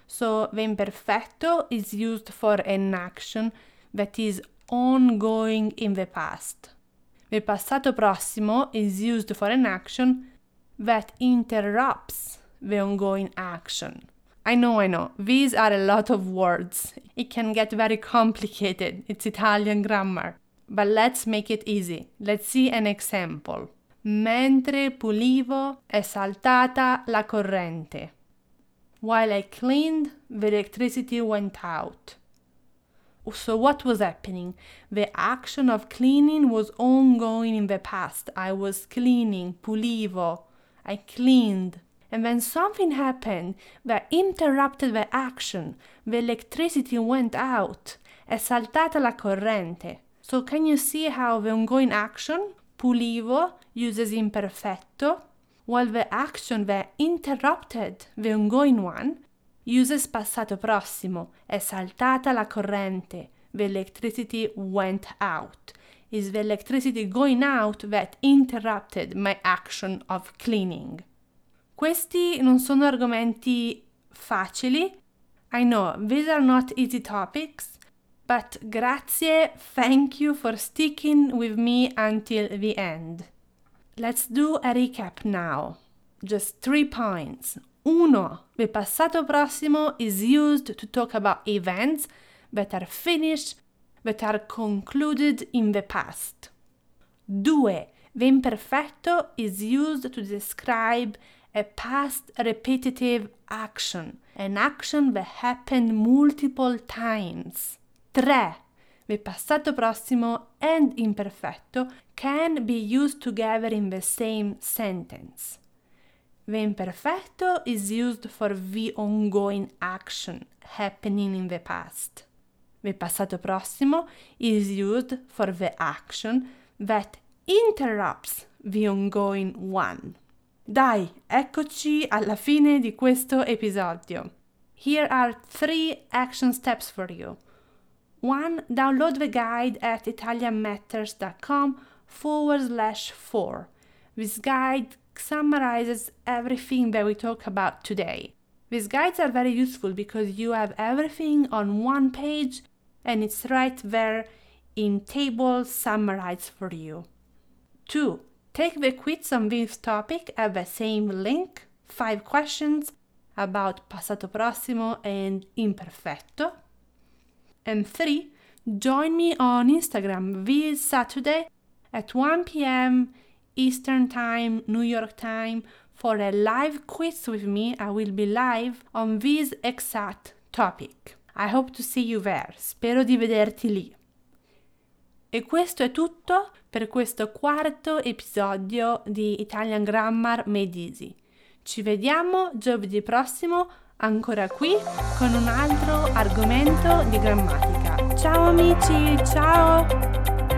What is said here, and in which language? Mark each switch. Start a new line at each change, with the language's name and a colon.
English: So, the imperfetto is used for an action that is ongoing in the past. The passato prossimo is used for an action that interrupts the ongoing action. I know, these are a lot of words. It can get very complicated. It's Italian grammar. But let's make it easy. Let's see an example.
Italian: Mentre pulivo è saltata la corrente.
English: While I cleaned, the electricity went out. So what was happening? The action of cleaning was ongoing in the past. I was cleaning, pulivo, I cleaned. And then something happened that interrupted the action. The electricity went out.
Italian: È saltata la corrente.
English: So can you see how the ongoing action, pulivo, uses imperfetto, while the action that interrupted the ongoing one uses passato prossimo.
Italian: È saltata la corrente.
English: The electricity went out. Is the electricity going out that interrupted my action of cleaning?
Italian: Questi non sono argomenti facili.
English: I know, these are not easy topics. But grazie, thank you for sticking with me until the end. Let's do a recap now. Just 3 points. 1. The passato prossimo is used to talk about events that are finished, that are concluded in the past. 2. The imperfetto is used to describe a past repetitive action, an action that happened multiple times. 3. The passato prossimo and imperfetto can be used together in the same sentence. The imperfetto is used for the ongoing action happening in the past. The passato prossimo is used for the action that interrupts the ongoing one.
Italian: Dai, eccoci alla fine di questo episodio.
English: Here are 3 action steps for you. 1. Download the guide at italianmatters.com/4. This guide summarizes everything that we talk about today. These guides are very useful because you have everything on one page and it's right there in tables summarized for you. 2. Take the quiz on this topic at the same link, 5 questions about passato prossimo and imperfetto. And 3. Join me on Instagram this Saturday at 1 p.m. Eastern Time, New York Time, for a live quiz with me. I will be live on this exact topic. I hope to see you there.
Italian: Spero di vederti lì. E questo è tutto per questo 4º episodio di Italian Grammar Made Easy. Ci vediamo giovedì prossimo, ancora qui, con un altro argomento di grammatica. Ciao amici, ciao!